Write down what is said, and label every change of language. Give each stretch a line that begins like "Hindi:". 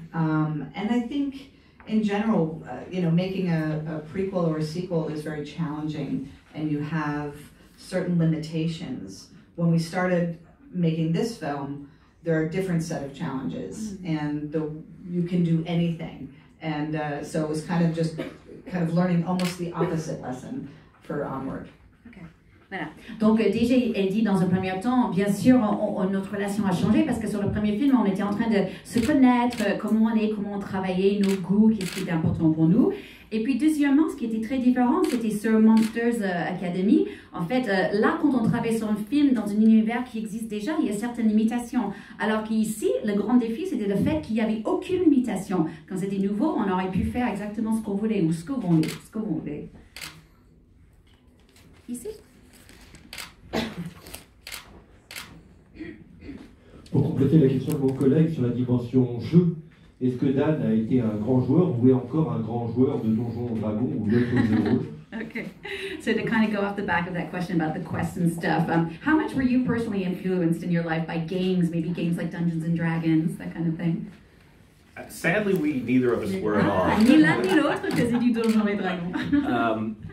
English: And I think in general, making a prequel or a sequel is very challenging and you have certain limitations. When we started making this film, there are a different set of challenges and you can do anything. And so it was kind of just kind of learning almost the opposite lesson for Onward.
French: Voilà. Donc DJ a dit dans un premier temps, bien sûr, notre relation a changé parce que sur le premier film, on était en train de se connaître, comment on est, comment on travaillait, nos goûts, qu'est-ce qui était important pour nous. Et puis deuxièmement, ce qui était très différent, c'était sur Monsters Academy. En fait, là, quand on travaille sur un film dans un univers qui existe déjà, il y a certaines limitations. Alors qu'ici, le grand défi, c'était le fait qu'il n'y avait aucune limitation. Quand c'était nouveau, on aurait pu faire exactement ce qu'on voulait ou ce qu'on voulait. Ce qu'on voulait. Ici. Pour compléter la question de mon collègue sur la dimension jeu, est-ce que Dan a été un grand joueur ou est encore un grand joueur de Donjons et Dragons ou d'autres jeux de rôle?
English: Okay, so to kind of go off the back of that question about the quests and stuff, how much were you personally influenced in your life by games, maybe games like Dungeons and Dragons, that kind of thing? Sadly, we neither of us were at all.
French: Ni l'un ni l'autre, que c'est du Donjons et Dragons.